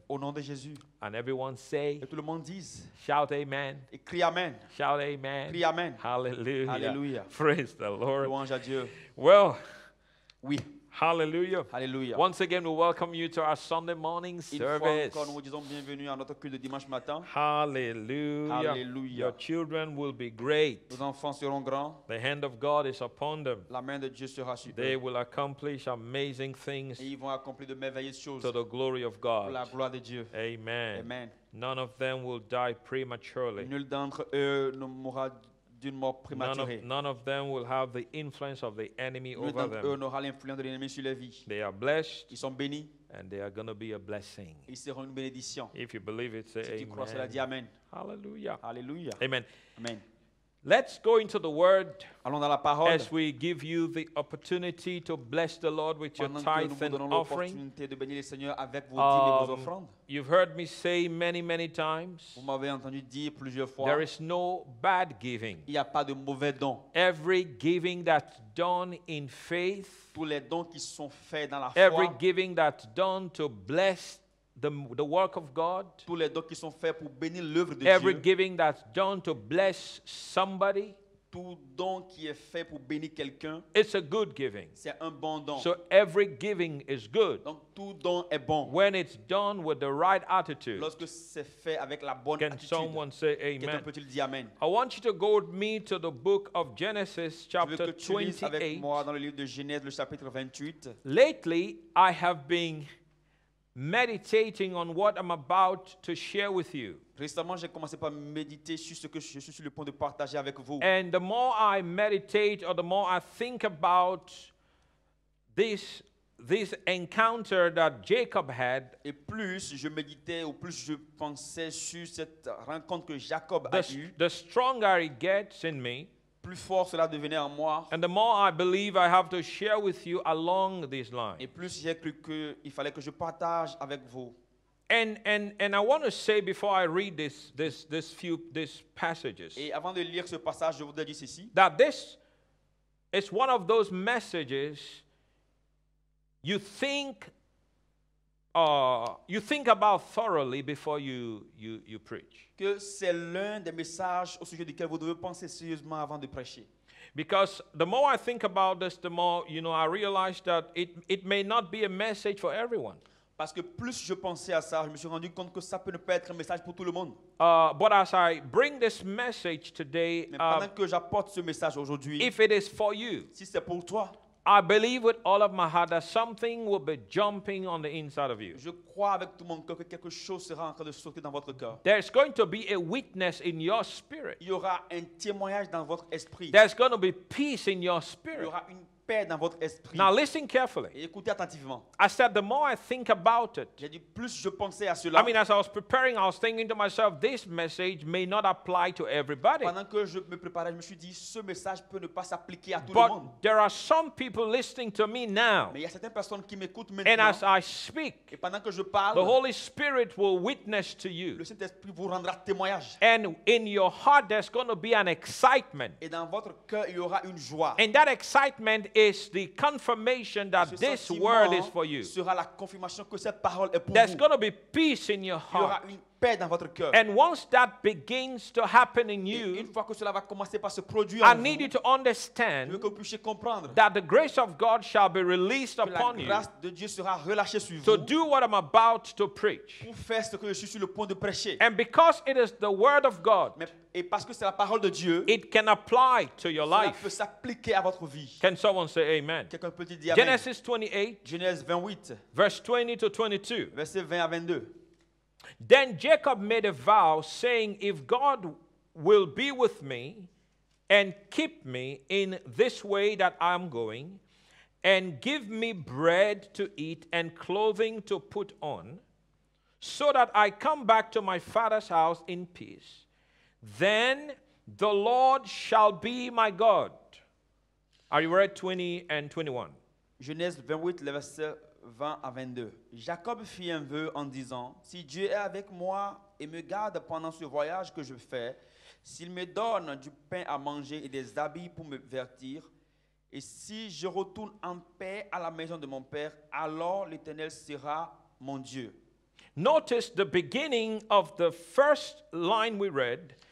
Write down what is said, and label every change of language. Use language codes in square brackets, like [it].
[fr] Au nom de Jésus. [en] And everyone say, [fr] et tout le monde dise, [en] shout amen. [fr] Et crie amen. [en] Shout amen. [fr] Crie amen. [en] Hallelujah. [fr] Hallelujah. [en] Praise the Lord. [fr] Louange à Dieu. [en] Well, [fr] oui. [en] Hallelujah. [fr] Hallelujah. [en] Once again, we welcome you to our Sunday morning service. [fr] Une fois encore, nous disons bienvenue à notre culte de dimanche matin. [en] Hallelujah. [fr] Hallelujah. [en] Your children will be great. [fr] Nos enfants seront grands. [en] The hand of God is upon them. [fr] La main de Dieu sera sur eux. [en] They will accomplish amazing things. [fr] Et ils vont accomplir de merveilleuses choses. [en] To the glory of God. [fr] Pour la gloire de Dieu. [en] Amen. [fr] Amen. [en] None of them will die prematurely. [fr] Nul d'entre eux ne mourra d'une mort prématurée. [en] None of them will have the influence of the enemy over them. [fr] Eux n'aura l'influence de l'ennemi sur leur vie. [en] They are blessed. [fr] Ils sont bénis. [en] And they are going to be a blessing. [fr] Ils seront une bénédiction. [en] If you believe it, say [fr] si [en] amen. [fr] Tu crois, cela dit amen. [en] Hallelujah. [fr] Hallelujah. [en] Amen. [fr] Amen. [en] Let's go into the word. [fr] Allons dans la parole. [en] As we give you the opportunity to bless the Lord with [fr] pendant [en] your tithes and offering. [fr] De bénir le Seigneur avec vos dîmes et vos offrandes. [en] You've heard me say many, many times. [fr] Vous m'avez entendu dire plusieurs fois. [en] There is no bad giving. [fr] Il y a pas de mauvais don. [en] Every giving that's done in faith. [fr] Tous les dons qui sont faits dans la foi. [en] Every giving that's done to bless the work of God. [fr] Tous les dons qui sont faits pour bénir l'œuvre de Dieu. [en] Every [fr] Dieu. [en] Giving that's done to bless somebody. [fr] Tout don qui est fait pour bénir quelqu'un. [en] It's a good giving. [fr] C'est un bon don. [en] So every giving is good. [fr] Donc tout don est bon. [en] When it's done with the right attitude. [fr] Lorsque c'est fait avec la bonne [en] can [fr] attitude. [en] Can someone say amen? [fr] Quelqu'un peut-il dire amen? [en] I want you to go with me to the book of Genesis chapter 28. [fr] Je veux que tu lises avec moi dans le livre de Genèse le chapitre 28. [en] Lately, I have been meditating on what I'm about to share with you. [fr] Récemment, j'ai commencé par méditer sur ce que je suis sur le point de partager avec vous. [en] And the more I meditate or the more I think about this encounter that Jacob had, [fr] et plus je méditais ou plus je pensais sur cette rencontre que Jacob a eue, [en] the stronger it gets in me. [fr] Plus fort cela devenait en moi. [en] And the more I believe I have to share with you along these lines. [fr] Et plus j'ai cru que il fallait que je partage avec vous. [en] And I want to say before I read this passages. [fr] Et avant de lire ce passage, je voudrais dire ceci. [en] That this is one of those messages you think about thoroughly before you preach. [fr] Que c'est l'un des messages au sujet duquel vous devez penser sérieusement avant de prêcher. [en] Because the more I think about this, the more, you know, I realize that it may not be a message for everyone. [fr] Parce que plus je pensais à ça, je me suis rendu compte que ça peut ne pas être un message pour tout le monde. [en] But as I bring this message today, [fr] mais pendant que j'apporte ce message aujourd'hui, [en] if it is for you, [fr] si c'est pour toi, [en] I believe with all of my heart that something will be jumping on the inside of you. [fr] Je crois avec tout mon cœur que quelque chose sera en train de sauter dans votre cœur. [en] There's going to be a witness in your spirit. [fr] Il y aura un témoignage dans votre esprit. [en] There's going to be peace in your spirit. [fr] Il y aura une paix dans votre esprit. [en] Now listen carefully. [fr] Et écoutez attentivement. [en] I said the more I think about it. [fr] J'ai dit plus je pensais à cela. [en] I mean, as I was preparing, I was thinking to myself, this message may not apply to everybody. [fr] Pendant que je me préparais, je me suis dit ce message peut ne pas s'appliquer à tout [en] but [fr] le monde. [en] But there are some people listening to me now. [fr] Mais il y a certaines personnes qui m'écoutent maintenant. [en] And as I speak, [fr] et pendant que je parle, [en] the Holy Spirit will witness to you. [fr] Le Saint-Esprit vous rendra témoignage. [en] And in your heart, there's going to be an excitement. [fr] Et dans votre cœur, il y aura une joie. [en] And that excitement is the confirmation that this word is for you. [fr] Sera la confirmation que cette parole est pour [en] there's [fr] vous. [en] Going to be peace in your heart. [fr] Il y aura une paix dans votre cœur. [en] And once that begins to happen in you, [fr] une fois que cela va commencer par se produire [en] I [fr] en [en] need [fr] vous, [en] you to understand [fr] je veux que vous puissiez comprendre [en] that the grace of God shall be released upon [fr] la grâce [en] you [fr] de Dieu sera relâchée sur [en] to [fr] vous [en] do what I'm about to preach. [fr] Pour faire ce que je suis sur le point de prêcher. [en] And because it is the word of God, [fr] et parce que c'est la parole de Dieu, [en] it can apply to your [fr] cela [en] life. [fr] Peut s'appliquer à votre vie. [en] Can someone say amen? [fr] Quelqu'un peut dire amen. [en] Genesis 28, [fr] Genèse 28, [en] verse 20 to 22. [fr] Verset 20 à 22. [en] Then Jacob made a vow, saying, if God will be with me and keep me in this way that I am going, and give me bread to eat and clothing to put on, so that I come back to my father's house in peace, then the Lord shall be my God. Are you ready? 20 and 21. [fr] Genèse 28, le verset 20 à 22. Jacob fit un vœu en disant, « Si Dieu est avec moi et me garde pendant ce voyage que je fais, s'il me donne du pain à manger et des habits pour me vêtir, et si je retourne en paix à la maison de mon père, alors l'Éternel sera mon Dieu. » [en] Notice the beginning of the first line we read.